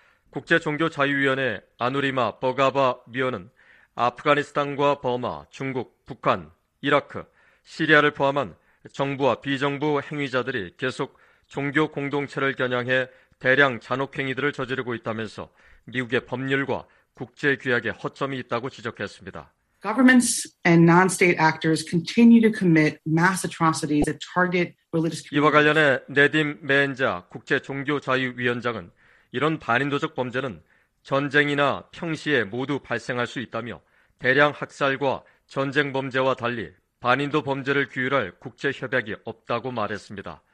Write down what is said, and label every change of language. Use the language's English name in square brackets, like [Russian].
[Korean] 국제종교자유위원회 아누리마 버가바 위원은 아프가니스탄과 버마, 중국, 북한, 이라크, 시리아를 포함한 정부와 비정부 행위자들이 계속 종교 공동체를 겨냥해 대량 잔혹행위들을 저지르고 있다면서 미국의 법률과 국제 규약에 허점이 있다고 지적했습니다. [English] Governments and non-state actors continue to commit mass atrocities that target religious communities. [Korean] 이와 관련해 네딤 메엔자 국제 종교 자유 위원장은 이런 반인도적 범죄는 전쟁이나 평시에 모두 발생할 수 있다며 대량 학살과 전쟁 범죄와 달리 반인도 범죄를 규율할 국제 협약이 없다고 말했습니다.